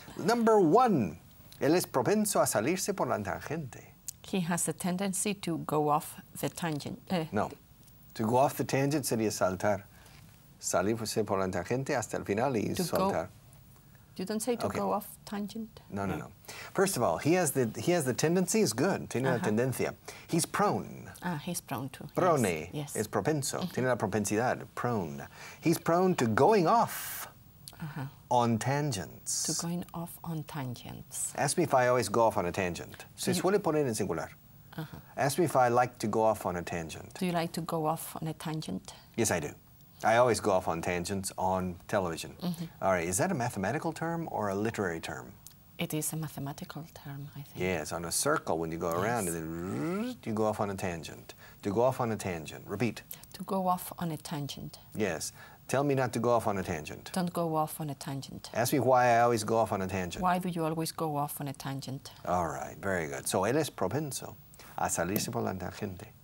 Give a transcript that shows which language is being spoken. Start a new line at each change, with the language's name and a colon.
English: Number one,
Spanish: él es propenso a salirse por la tangente.
English: He has a tendency to go off the tangent. To go off the tangent
Spanish: sería saltar. Salirse por la tangente hasta el final y saltar.
English: You don't say to go off tangent? No. First of all, he has the tendency, is good.
Spanish: Tiene la tendencia.
English: He's prone. He's prone to. Prone. Yes.
Spanish: Es propenso. Mm-hmm. Tiene la propensidad. Prone.
English: He's prone to going off. On tangents. To going off on tangents. Ask me if I always go off on a tangent.
Spanish: Se suele poner en singular.
English: Ask me if I like to go off on a tangent. Do you like to go off on a tangent? Yes, I do. I always go off on tangents on television. Mm-hmm. All right, is that a mathematical term or a literary term? It is a mathematical term, I think. Yes, on a circle when you go around, and you go off on a tangent. To go off on a tangent. Repeat. To go off on a tangent. Yes. Tell me not to go off on a tangent. Don't go off on a tangent. Ask me why I always go off on a tangent. Why do you always go off on a tangent? All right, very good.
Spanish: So, él es propenso a salirse por la tangente.